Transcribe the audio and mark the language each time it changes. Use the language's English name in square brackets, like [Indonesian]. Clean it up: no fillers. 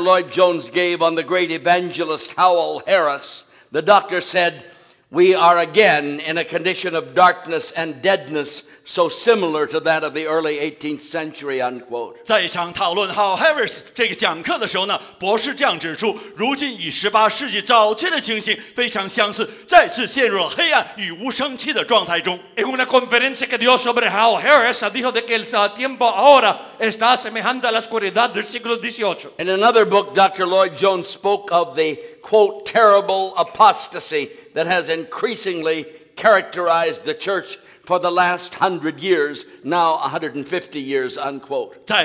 [English] Lloyd-Jones gave on the great evangelist Howell Harris, the doctor said, "We are again in a condition of darkness and deadness so similar to that of the early 18th century," unquote. [Chinese] 在一场讨论Howell Harris这个讲课的时候呢,博士这样指出,如今与18世纪早期的情形非常相似,再次陷入黑暗与无生气的状态中. [Spanish] En una conferencia que dio sobre Howell Harris, dijo de que el tiempo ahora está semejante a la oscuridad del siglo XVIII. [English] In another book, Dr. Lloyd-Jones spoke of the, quote, terrible apostasy that has increasingly characterized the church for the last 100 years, now 150 years, unquote.